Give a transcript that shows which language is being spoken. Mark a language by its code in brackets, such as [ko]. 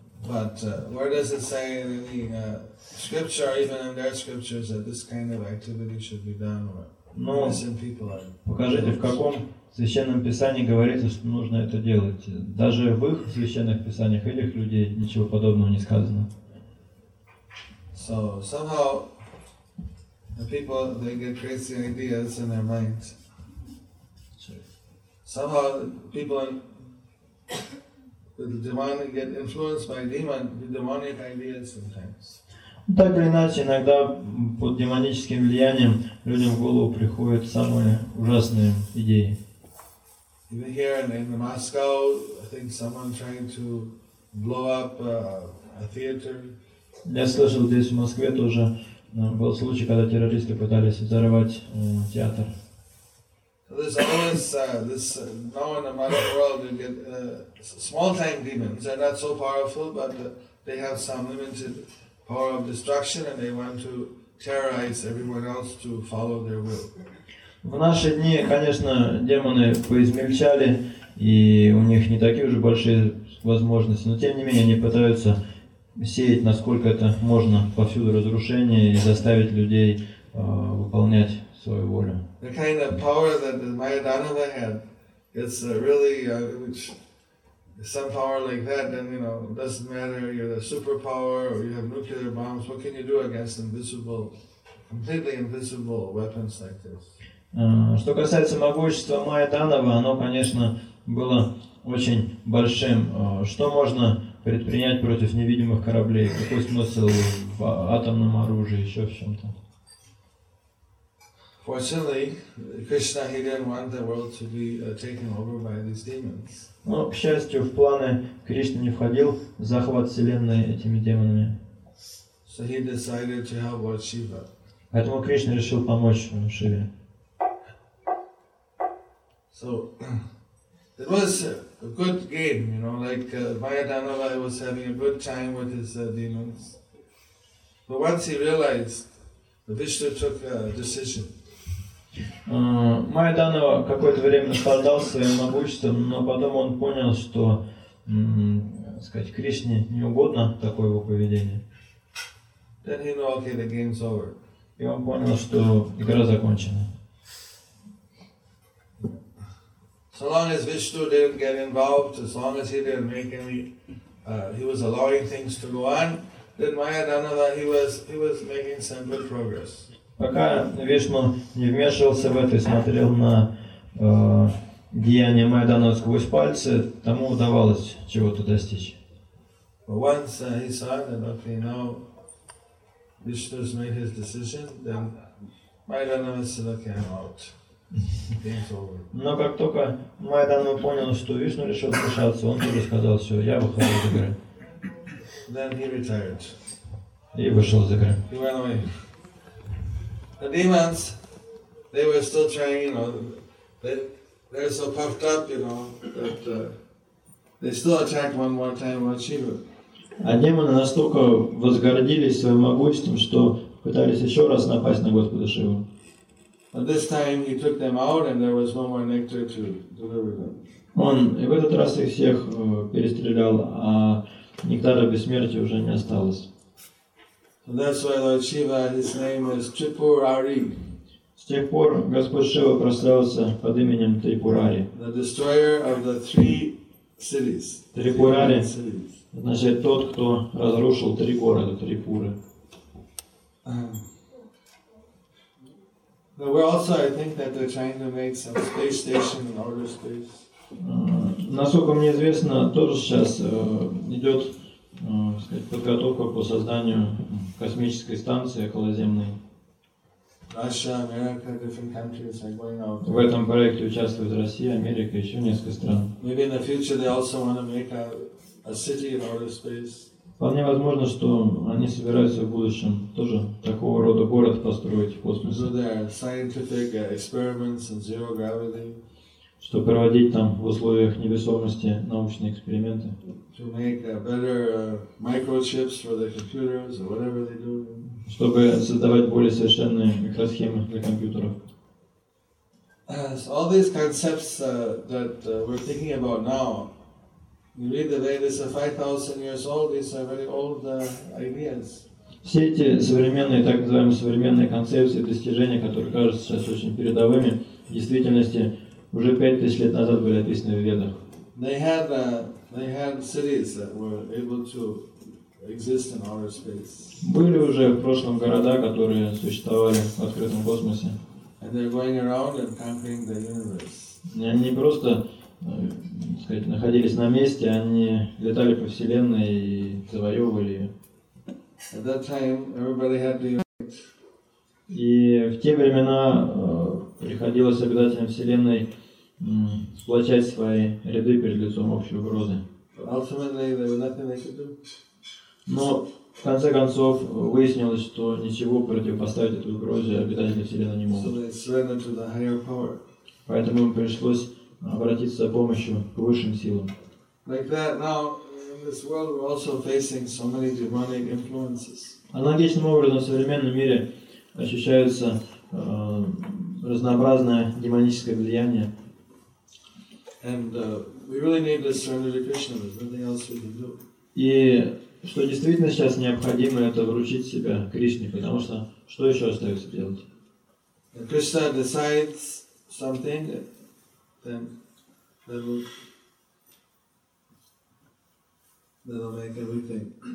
[en] But where does it say in any scripture, or even in their scriptures, that this kind of activity should be done? Or innocent people are. [ru] Покажите, в каком Священном Писании говорится, что нужно это делать. Даже в их священных писаниях этих людей ничего подобного не сказано. [en] So somehow the people they get crazy ideas in their minds. Somehow people with demonic get influenced by demonic ideas sometimes. [ru] Так или иначе, иногда под демоническим влиянием людям в голову приходят самые ужасные идеи. [en] Even here in Moscow, I think someone trying to blow up a theater. [ru] Я слышал, здесь в Москве тоже был случай, когда террористы пытались взорвать театр. [en] There's always this now in the modern world you get small-time demons. They're not so powerful, but they have some limited power of destruction, and they want to terrorize everyone else to follow their will. [ru] В наши дни, конечно, демоны поизмельчали, и у них не такие уже большие возможности, но тем не менее они пытаются сеять, насколько это можно, повсюду разрушение и заставить людей выполнять свою волю. [en] The kind of power that Maya Danava had, it's really, which some power like that, then, you know, it doesn't matter, you're the superpower, or you have nuclear bombs, what can you do against invisible, completely invisible weapons like this? [ru] Что касается могущества Майя Данова, оно, конечно, было очень большим. Что можно предпринять против невидимых кораблей? Какой смысл в атомном оружии, еще в чем-то? [en] Fortunately, Krishna, he didn't want the world to be taken over by these demons. [ru] Но, к счастью, в планы Кришны не входил захват вселенной этими демонами. [en] So he decided to help Lord Shiva. [ru] Поэтому Кришна решил помочь Шиве. [en] So it was a good game, you know, like Maya Danava was having a good time with his demons. But once he realized, Vishnu took a decision. [ru] Maya Danava какое-то время наслаждался своим могуществом, но потом он понял, что, сказать, Кришне не угодно такое его поведение. [en] Then he knew, okay, the game's over. [ru] И он понял, что игра закончена. [en] So long as Vishnu didn't get involved, as long as he didn't make any, he was allowing things to go on, then Maya Danava, he was making some good progress. [ru] Пока Вишну не вмешивался в это и смотрел на деяния Майя Данова сквозь пальцы, тому удавалось чего-то достичь. [en] Once he saw that, okay, now Vishnu has made his decision, then Maya Danava said, okay, I'm out. [ru] Но как только Майя Данова понял, что Вишну решил вмешаться, он тоже сказал, все, я выхожу из игры. [en] Then he retired. [ru] И вышел из игры. [en] He went away. The demons, they were still trying, you know, they're so puffed up, you know, that they still attack one more time Lord Shiva. [ru] А демоны настолько возгордились своим могуществом, что пытались еще раз напасть на Господа Шиву. [en] But this time he took them out and there was no more nectar to deliver them. [ru] Он и в этот раз их всех перестрелял, а нектара бессмертия уже не осталось. [en] And that's why Lord Shiva, his name is Tripurari. [ru] С тех пор Господь Шива прославился под именем Трипурари. [en] The destroyer of the three cities. [ru] Трипурари означает тот, кто разрушил три города, Трипуры. [en] No, we're also, I think, that they're trying to make some space station in outer space. [ru] Насколько мне известно, тоже сейчас идет сказать, подготовка по созданию космической станции околоземной. [en] Russia, America, different countries are going out. [ru] В этом проекте участвует Россия, Америка, еще несколько стран. [en] Maybe in the future they also want to make a city in outer space. [ru] Вполне возможно, что они собираются в будущем тоже такого рода город построить в космосе. [en] So there are scientific experiments in zero gravity. [ru] Что проводить там в условиях невесомости научные эксперименты. [en] To make better microchips for the computers or whatever they do. [ru] Чтобы создавать более совершенные микросхемы для компьютеров. [en] So all these concepts that we're thinking about now, you read the Vedas are 5,000 years old, these are very old ideas. [ru] Все эти современные, так называемые современные концепции, достижения, которые кажутся сейчас очень передовыми, в действительности уже 5000 лет назад были описаны в Ведах. [en] They had cities that were able to exist in outer space. [ru] Были уже в прошлом города, которые существовали в открытом космосе. [en] And they're going around and conquering the universe. [ru] И они просто, так сказать, находились на месте, они летали по Вселенной и завоевывали ее. [en] At that time, everybody had to unite. [ru] И в те времена приходилось обитателям Вселенной сплочать свои ряды перед лицом общей угрозы. [en] Ultimately, there was nothing they could do. [ru] Но в конце концов выяснилось, что ничего противопоставить этой угрозе обитатели Вселенной не могут. [en] So they surrendered to the higher power. [ru] Поэтому им пришлось обратиться за помощью к высшим силам. [en] Like that, now in this world we're also facing so many demonic influences. [ru] Аналогичным образом в современном мире ощущается разнообразное демоническое влияние. [en] And we really need to surrender to Krishna. There's nothing else we can do. [ru] И что действительно сейчас необходимо, это вручить себя Кришне, потому что что еще остается делать? [en] If Krishna decides something, then make everything.